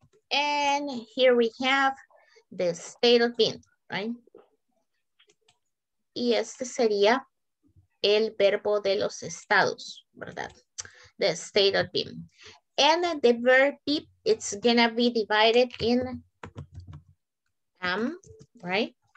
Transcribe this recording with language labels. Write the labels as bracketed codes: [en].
[en] And here we have the state of being, right? [es] Y este sería el verbo de los estados, ¿verdad? [en] The state of being. And the verb be, it's gonna be divided in am, right?